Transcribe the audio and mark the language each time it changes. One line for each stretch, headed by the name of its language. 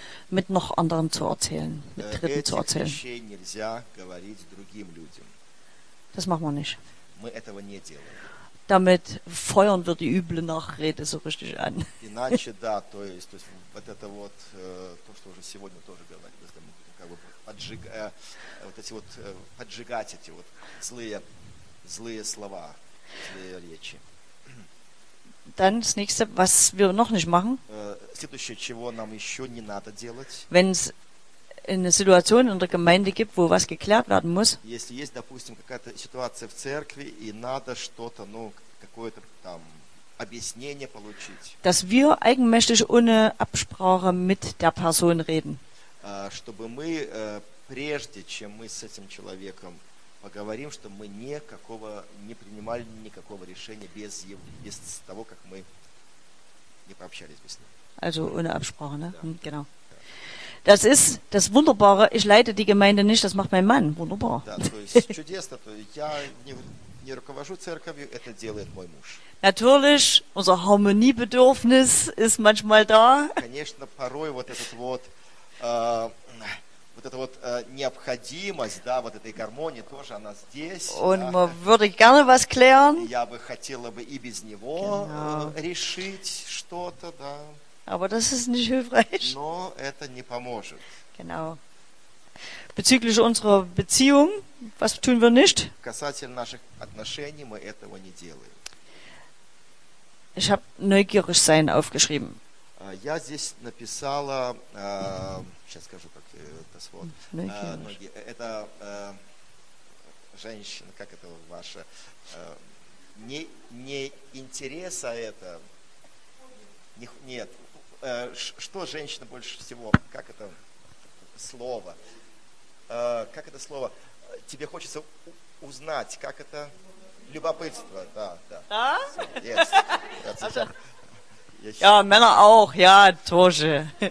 German: Mit noch anderen zu erzählen, mit Dritten zu erzählen.
Russian: Вещей нельзя говорить другим людям.
German: Das machen wir nicht.
Russian: Мы этого не делаем.
German: Damit feuern wir die üble Nachrede so richtig an.
Russian: Иначе, да, то есть вот это вот, то, что уже сегодня тоже говорили, то есть, как бы поджигать эти вот злые слова, злые речи.
German: Dann das nächste, was wir noch nicht machen.
Russian: Следующее, чего нам еще не надо делать.
German: Wenn es eine Situation in der Gemeinde gibt, wo was geklärt werden muss.
Russian: Если есть, допустим, какая-то ситуация в церкви и надо что-то, ну, какое-то там объяснение получить.
German: Dass wir eigenmächtig ohne Absprache mit der Person reden.
Russian: Чтобы мы прежде, чем мы с этим человеком поговорим, что мы никакого не принимали никакого решения без того, как мы не пообщались бы с ним.
German: Also ohne Absprache, ne? Да. Genau. Да. Das ist das Wunderbare. Ich leite die Gemeinde nicht, das macht mein Mann. Wunderbar.
Russian: Да, то есть чудесно, то есть я не руковожу церковью, это делает мой муж.
German: Natürlich, unser Harmoniebedürfnis ist manchmal da.
Russian: Конечно, порой вот этот вот вот эта вот необходимость, да, вот этой гармонии тоже она здесь.
German: Und man würde gerne was klären.
Russian: Я бы хотела бы и без него решить что-то, да.
German: Aber das ist nicht hilfreich.
Russian: Но это не поможет.
German: Genau. Bezüglich unserer Beziehung, was tun wir nicht?
Russian: Касательно наших отношений мы этого не делаем.
German: Ich habe neugierig sein aufgeschrieben.
Russian: Я здесь написала, сейчас скажу, как
German: das Wort.
Russian: Это женщина, как это ваша? Не интерес, а это... Нет. Что женщина больше всего? Как это слово? Как это слово? Тебе хочется узнать, как это? Любопытство, да, да.
English: Да? Yes. Also, yes.
German: Ja, Männer auch, ja, тоже.